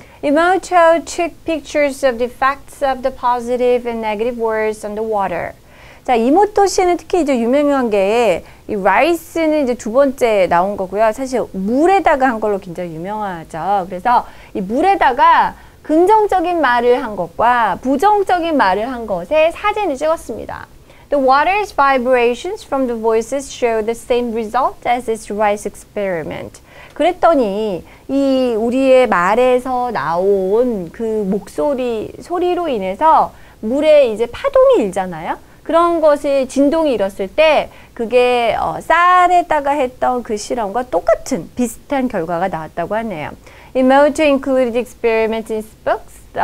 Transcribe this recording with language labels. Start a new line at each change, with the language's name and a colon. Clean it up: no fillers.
English: Imoto took pictures of the effects of the positive and negative words on the water.
Korean: 자, 이모토 씨는 특히 이제 유명한 게 이 rice는 이제 두 번째 나온 거고요. 사실 물에다가 한 걸로 굉장히 유명하죠. 그래서 이 물에다가 긍정적인 말을 한 것과 부정적인 말을 한 것에 사진을 찍었습니다.
English: The water's vibrations from the voices show the same result as its rice experiment.
Korean: 그랬더니 이 우리의 말에서 나온 그 목소리 소리로 인해서 물에 이제 파동이 일잖아요. 그런 것이 진동이 일었을 때 그게 쌀에다가 했던 그 실험과 똑같은 비슷한 결과가 나왔다고 하네요.
English: Emoto included experiments in books